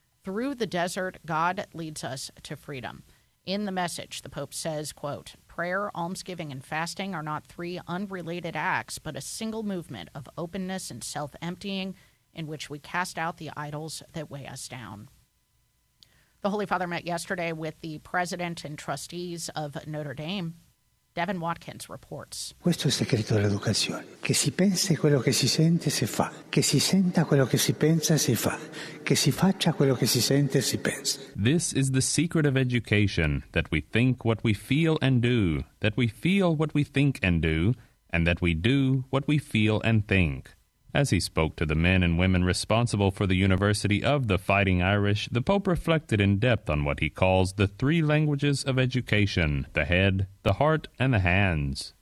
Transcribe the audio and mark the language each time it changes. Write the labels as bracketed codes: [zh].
[en] Through the desert, God leads us to freedom. In the message, the Pope says, quote, prayer, almsgiving, and fasting are not three unrelated acts, but a single movement of openness and self-emptying in which we cast out the idols that weigh us down. The Holy Father met yesterday with the president and trustees of Notre Dame. Devin Watkins reports. [it] Questo è il segreto dell'educazione. Che si pensi quello che si sente, si fa. Che si senta quello che si pensa, si fa. Che si faccia quello che si sente, si pensa. [en] This is the secret of education, that we think what we feel and do, that we feel what we think and do, and that we do what we feel and think. As he spoke to the men and women responsible for the University of the Fighting Irish, the Pope reflected in depth on what he calls the three languages of education, the head, the heart, and the hands.